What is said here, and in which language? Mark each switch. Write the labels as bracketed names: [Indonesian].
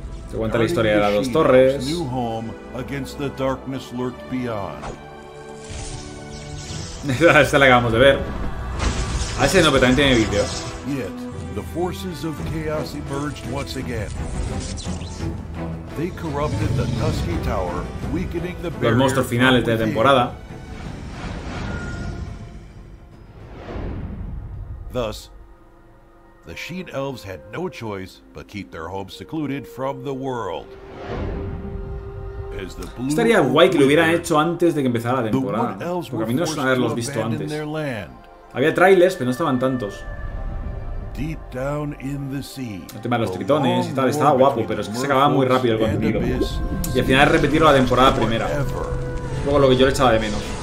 [Spanish] Te cuenta la historia de las dos torres. Esta es la que acabamos de ver. A ese no, pero también tiene vídeos. [English] The forces of chaos emerged once again. They corrupted the Tusky Tower, weakening the barrier. [Spanish] Los monstruos finales de la temporada. [English] Thus, the Sheen Elves had no choice but keep their home secluded from the world. [Spanish] Estaría guay que lo hubieran hecho antes de que empezara la temporada, porque a mí no suena haberlos visto antes. Había trailers, pero no estaban tantos. [English] Deep down in the sea. [Spanish] El tema de los tritones y tal, estaba guapo, pero es que se acababa muy rápido el contenido. Y al final repetirlo la temporada primera. Luego lo que yo le echaba de menos.